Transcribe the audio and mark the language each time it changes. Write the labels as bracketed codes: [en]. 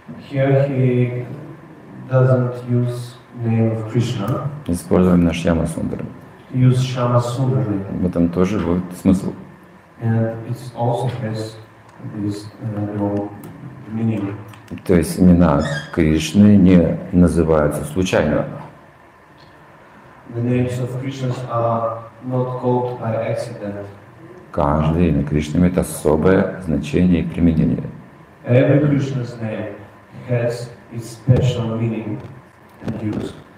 [en] Here he doesn't use name of Krishna. [ru] Используем наш Шьяма Сундара. [en] Use Шьяма Сундара. [ru] В этом тоже будет смысл. [en] And it also has this meaning. [ru] То есть имена Кришны не называются случайно. [en] The names of Krishna are not called by accident. [ru] Каждое имя Кришны имеет особое значение и применение. [en] Every Krishna's name has its special meaning and use.